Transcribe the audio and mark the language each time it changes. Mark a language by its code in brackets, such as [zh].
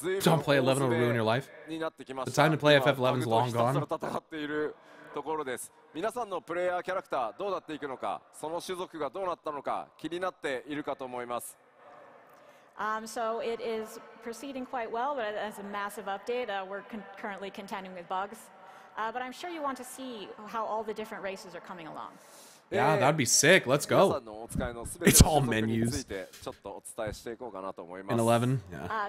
[en] Don't play 11 or ruin your life. The time to play FF11 is long gone. [ja] 皆さんのプレイヤーキャラクターどうなっていくのか、その種族がどうなったのか気になっているかと思います。 [en] So it is proceeding quite well, but as a massive update, we're currently contending with bugs. But I'm sure you want to see how all the different races are coming along. Yeah, that'd be sick. Let's go. It's all menus. In 11. Yeah.